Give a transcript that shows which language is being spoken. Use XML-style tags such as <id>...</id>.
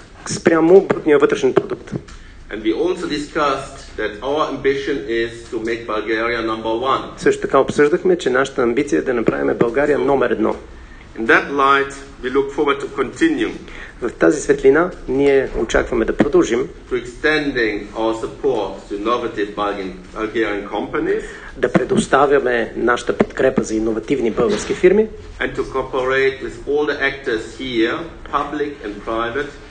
<bg>спрямо брутния вътрешен продукт.</bg> <en>And we also discussed that our ambition is to make Bulgaria number one.</en> <bg>Също така обсъждахме, че нашата амбиция е да направим България номер едно.</bg> <en>In that light, we look forward to continue.</en> <bg>В тази светлина ние очакваме да продължим.</bg> <en>To extending our support to innovative Bulgarian companies.</en> <bg>Да предоставяме нашата подкрепа за иновативни български фирми.</bg> <en>And to cooperate with all the actors here, public and private.</en>